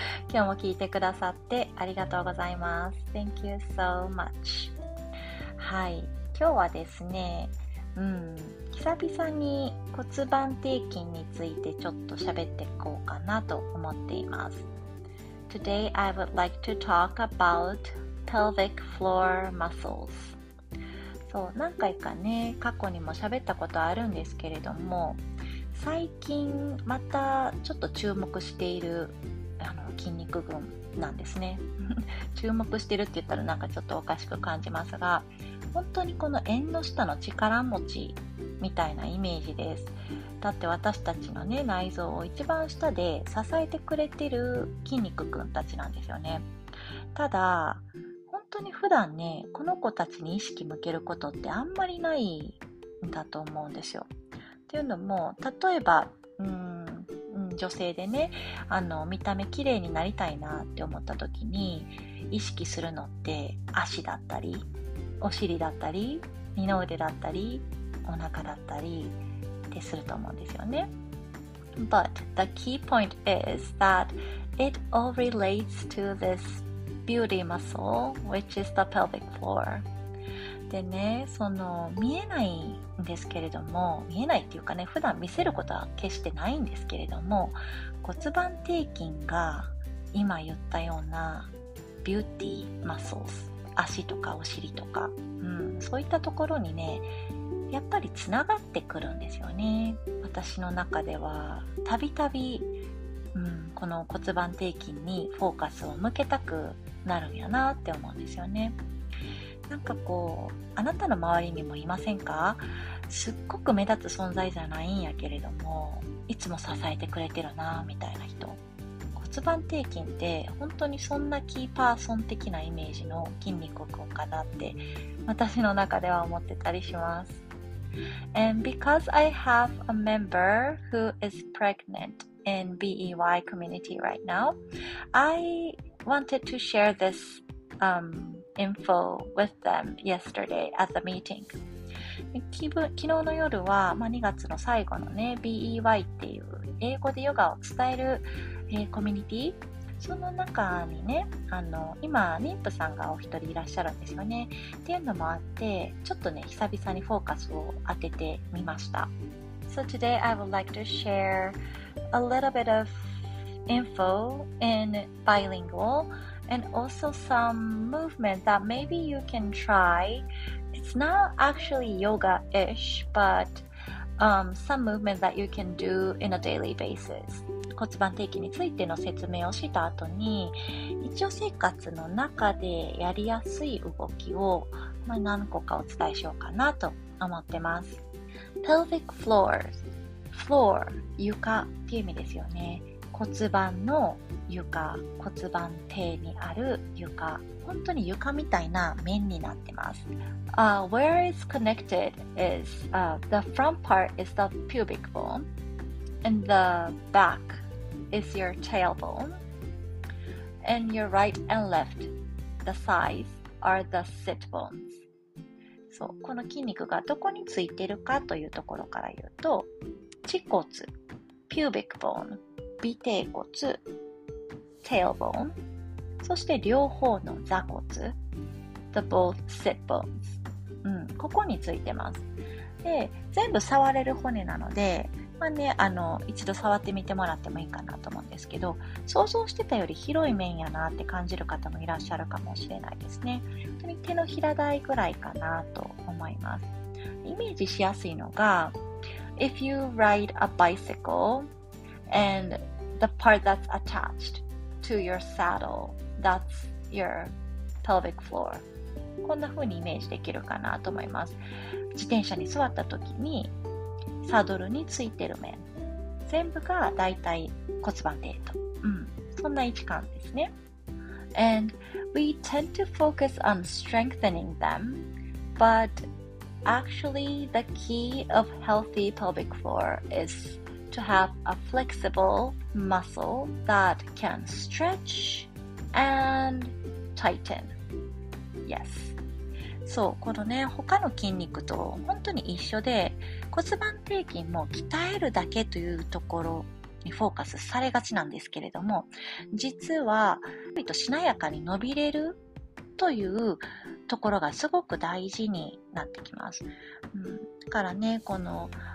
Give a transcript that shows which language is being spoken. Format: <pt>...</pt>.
<ja>今日も聞いてくださってありがとうございます。</ja> <en>Thank you so much.</en> <ja>はい、今日はですね、久々に骨盤底筋についてちょっと喋っていこうかなと思っています。</ja> <en>Today I would like to talk about pelvic floor muscles.</en> <ja>そう、何回かね、過去にも喋ったことあるんですけれども、最近またちょっと注目している筋肉群なんですね。注目してるって言ったらなんかちょっとおかしく感じますが、本当にこの縁の下の力持ちみたいなイメージです。だって私たちのね、内臓を一番下で支えてくれてる筋肉群たちなんですよね。ただ本当に普段ね、この子たちに意識向けることってあんまりないんだと思うんですよ。っていうのも、例えば女性でね、見た目綺麗になりたいなって思った時に意識するのって、足だったりお尻だったり二の腕だったりお腹だったりってすると思うんですよね。</ja> <en>But the key point is that it all relates to this beauty muscle which is the pelvic floor。</en> <ja>でね、その見えないんですけれども、見えないっていうかね、普段見せることは決してないんですけれども、骨盤底筋が今言ったようなビューティーマッスル、足とかお尻とか、そういったところにね、やっぱりつながってくるんですよね。私の中ではたびたびこの骨盤底筋にフォーカスを向けたくなるんやなって思うんですよね。なんかこう、あなたの周りにもいませんか？すっごく目立つ存在じゃないんやけれども、いつも支えてくれてるなみたいな人。骨盤底筋って本当にそんなキーパーソン的なイメージの筋肉群かなって私の中では思ってたりします。</ja> <en>And because I have a member who is pregnant in BEY community right now, I wanted to share this info with them yesterday at the meeting.</en> <ja>昨日の夜は、2月の最後のね、 BEY っていう英語でヨガを伝える、コミュニティ、その中にね、今妊婦さんがお一人いらっしゃるんですよね。っていうのもあって、ちょっとね、久々にフォーカスを当ててみました。</ja> <en>So today I would like to share a little bit of info in bilingualand also some movement that maybe you can try. It's not actually yoga-ish, but some movement that you can do in a daily basis.</en> <ja>骨盤底筋についての説明をした後に、日常生活の中でやりやすい動きを、何個かお伝えしようかなと思ってます。</ja> <en>Pelvic floor. Floor.</en> <ja>床っていう意味ですよね。骨盤の床、骨盤底にある床、本当に床みたいな面になってます。</ja> <en>Where it's connected is the front part is the pubic bone, and the back is your tailbone, and your right and left, the sides are the sit bones.</en> <ja>そう、この筋肉がどこについてるかというところから言うと、恥骨、pubic bone、尾底骨、tailbone、 そして両方の座骨、</ja> <en>the both sit bones、</en> <ja>ここについてます。で、全部触れる骨なので、一度触ってみてもらってもいいかなと思うんですけど、想像してたより広い面やなって感じる方もいらっしゃるかもしれないですね。本当に手のひら台ぐらいかなと思います。イメージしやすいのが、</ja> <en>If you ride a bicycle and the part that's attachedto your saddle, that's your pelvic floor.</en> <ja>こんな風にイメージできるかなと思います。自転車に座った時にサドルについてる面、全部がだいたい骨盤底と、そんな位置感ですね。</ja> <en>and we tend to focus on strengthening them, but actually the key of healthy pelvic floor is to have a flexible muscle that can stretch and tighten. Yes.</en> <ja>そう、このね、他の筋肉と本当に一緒で、骨盤底筋も鍛えるだけというところにフォーカスされがちなんですけれども、実はしなやかに伸びれるというところがすごく大事になってきます、うん、だからね、この</ja>